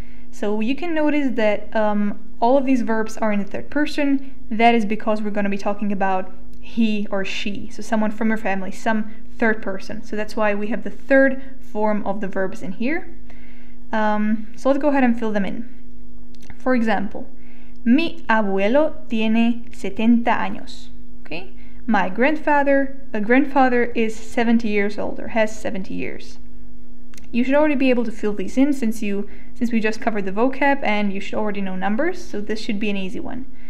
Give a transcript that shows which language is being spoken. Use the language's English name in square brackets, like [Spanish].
[English] So you can notice that all of these verbs are in the third person. That is because we're going to be talking about he or she, so someone from your family, some third person. So that's why we have the third form of the verbs in here. So let's go ahead and fill them in. For example, [Spanish] mi abuelo tiene 70 años. [English] Okay? My grandfather is 70 years old, or has 70 years. You should already be able to fill these in since we just covered the vocab and you should already know numbers, so this should be an easy one.